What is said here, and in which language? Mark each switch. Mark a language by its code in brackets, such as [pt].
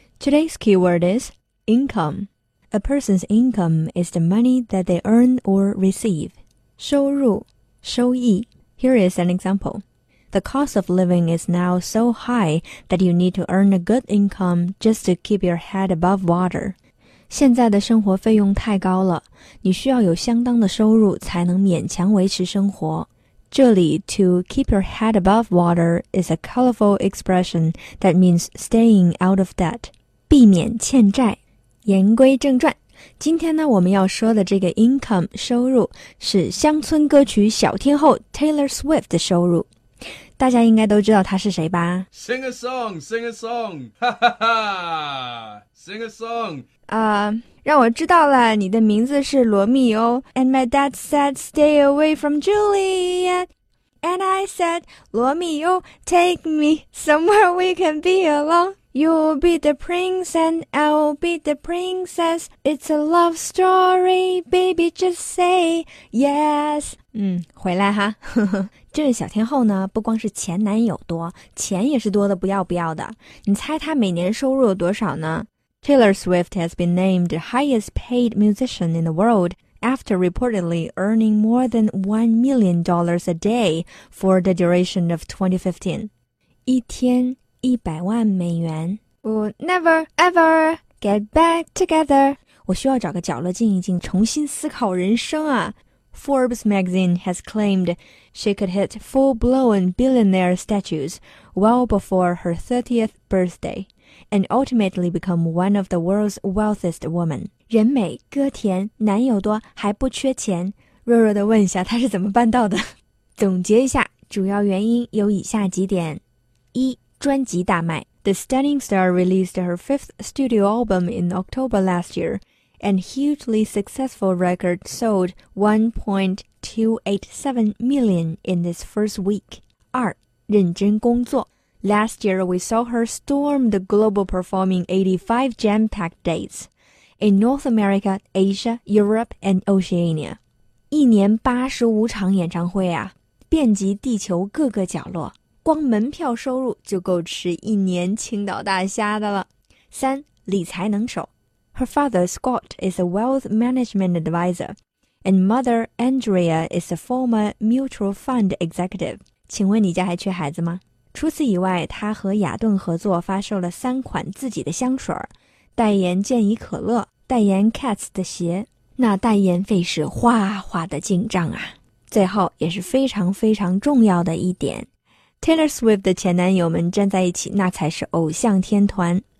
[en] Today's keyword is income. A person's income is the money that they earn or receive. [zh] 收入收益 [en] Here is an example. The cost of living is now so high that you need to earn a good income just to keep your head above water. [zh] 现在的生活费用太高了，你需要有相当的收入才能勉强维持生活。这里 [en] to keep your head above water is a colorful expression that means staying out of debt, [zh] 避免欠债。言归正传，今天呢我们要说的这个 income 收入是乡村歌曲小天后 Taylor Swift 的收入。大家应该都知道她是谁吧 [en] ？Sing a song, sing a song, ha ha ha, sing a song. [zh] 让我知道了，你的名字是罗密欧。 [en] And my dad said, stay away from Juliet. And I said, [zh] 罗密欧 [en] take me somewhere we can be alone. You'll be the prince and I'll be the princess. It's a love story, baby, just say yes. [zh] 回来哈。这位小天后呢，不光是前男友多，钱也是多的不要不要的。你猜她每年收入有多少呢？ [en] Taylor Swift has been named the highest paid musician in the world after reportedly earning more than $1 million a day for the duration of 2015. [zh] 一天一百万美元。 [en] We'll never ever get back together. [zh] 我需要找个角落静一静，重新思考人生啊。 [en] Forbes magazine has claimed she could hit full-blown billionaire status well before her 30th birthday. And ultimately become one of the world's wealthiest women. [zh] 人美歌甜，男友多，还不缺钱。弱弱地问一下，她是怎么办到的？总结一下，主要原因有以下几点：一、专辑大卖。 [en] The stunning star released her fifth studio album in October last year, and hugely successful record sold 1.287 million in its first week. [zh] 二、认真工作。 [en] Last year, we saw her storm the global performing 85 jam-packed dates in North America, Asia, Europe, and Oceania. [zh] 一年85场演唱会啊，遍及地球各个角落，光门票收入就够吃一年青岛大虾的了。三，理财能手。 [en] Her father, Scott, is a wealth management advisor, and mother, Andrea, is a former mutual fund executive. [zh] 请问你家还缺孩子吗？除此以外，他和雅顿合作发售了三款自己的香水，代言健怡可乐，代言 Cats 的鞋，那代言费是哗哗的进账啊。最后也是非常非常重要的一点， Taylor Swift 的前男友们站在一起，那才是偶像天团。